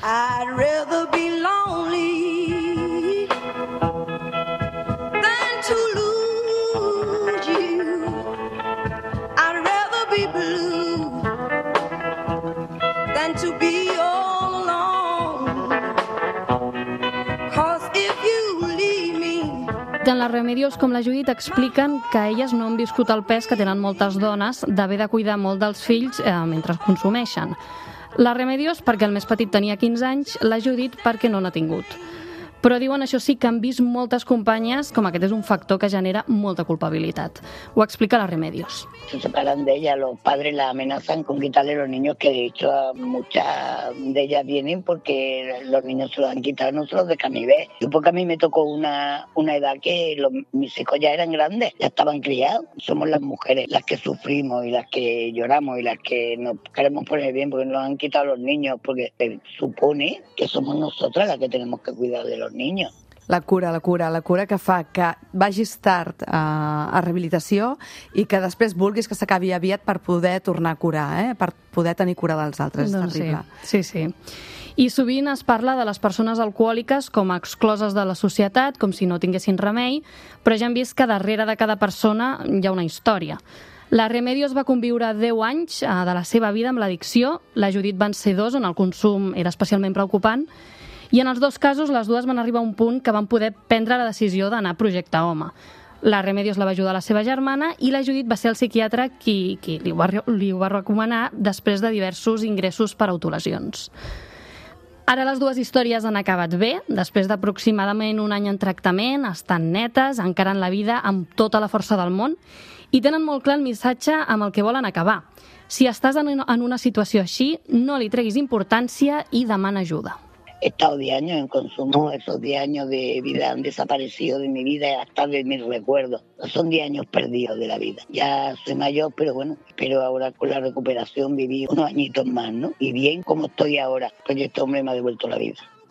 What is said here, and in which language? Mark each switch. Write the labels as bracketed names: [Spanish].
[English] I'd rather be lonely than to lose you. I'd rather be blue than to be all alone. Cause if you [Catalan] tant la Remedios com la Judit expliquen que elles no han viscut el pes que tenen moltes dones d'haver de cuidar molt dels fills mentre consumeixen. La Remedios perquè el més petit tenia 15 anys, la Judit perquè no n'ha tingut. Però diuen això sí que han vist moltes companyes com aquest és un factor que genera molta culpabilitat. Ho explica la Remedios. [Spanish] Se separan de ella, los padres la amenazan con quitarle los niños que de hecho muchas de ellas vienen porque los niños se los han quitado, no se los dejan ni ver. Yo porque a mí me tocó una edad que mis hijos ya eran grandes, ya estaban criados. Somos las mujeres las que sufrimos y las que lloramos y las que nos queremos poner bien porque nos han quitado los niños porque se supone que somos nosotras las que tenemos que cuidar de los niños. [Catalan] La cura que fa que vagis tard a rehabilitació i que després vulguis que s'acabi aviat per poder tornar a curar, per poder tenir cura dels altres. Doncs és terrible. Sí. I sovint es parla de les persones alcohòliques com a excloses de la societat, com si no tinguessin remei, però ja hem vist que darrere de cada persona hi ha una història. La Remedios va conviure 10 anys de la seva vida amb l'addicció, la Judit van ser 2, on el consum era especialment preocupant, i en els dos casos, les dues van arribar a un punt que van poder prendre la decisió d'anar a Projecte Home. La Remedios la va ajudar la seva germana i la Judit va ser el psiquiatre qui li ho va recomanar després de diversos ingressos per autolesions. Ara les dues històries han acabat bé. Després d'aproximadament un any en tractament, estan netes, encara en la vida amb tota la força del món i tenen molt clar el missatge amb el que volen acabar. Si estàs en una situació així, no li treguis importància i demana ajuda. [Spanish] He estado 10 años en consumo, esos 10 años de vida han desaparecido de mi vida, hasta de mis recuerdos. Son 10 años perdidos de la vida. Ya soy mayor, pero bueno, espero ahora con la recuperación viví unos añitos más, ¿no? Y bien como estoy ahora, porque este hombre me ha devuelto la vida.